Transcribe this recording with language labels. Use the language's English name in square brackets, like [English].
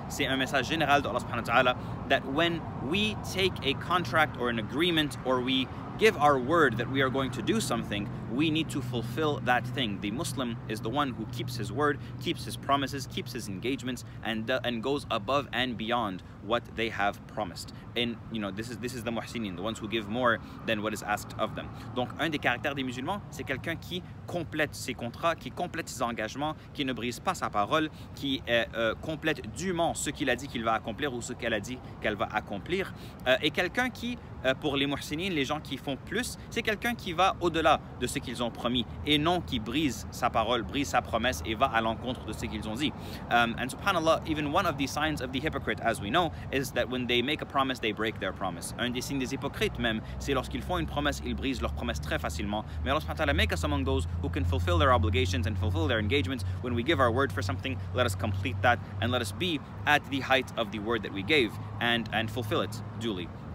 [French] C'est un message général de [English] Allah [Arabic] subhanahu wa ta'ala [English] that when we take a contract or an agreement or we give our word that we are going to do something, we need to fulfill that thing. The Muslim is the one who keeps his word, keeps his promises, keeps his engagements, and goes above and beyond what they have promised. And you know, this is the muhsinin, the ones who give more than what is asked of them. [French] Donc, un des caractères des musulmans, c'est quelqu'un qui complète ses contrats, qui complète ses engagements, qui ne brise pas sa parole, qui complète dûment ce qu'il a dit qu'il va accomplir ou ce qu'elle a dit qu'elle va accomplir. Et quelqu'un qui, pour les muhsinin, les gens qui font plus, c'est quelqu'un qui va au-delà de ce qu'ils ont promis et non qui brise sa parole, brise sa promesse et va à l'encontre de ce qu'ils ont dit. [English] And subhanallah, even one of the signs of the hypocrite, as we know, is that when they make a promise, they break their promise. [French] Un des signes des hypocrites même, c'est lorsqu'ils font une promesse, ils brisent leur promesse très facilement. [English] Mais Allah [Arabic] subhanahu wa ta'ala, [English] make us among those who can fulfill their obligations and fulfill their engagements. When we give our word for something, let us complete that and let us be at the height of the word that we gave and fulfill it duly.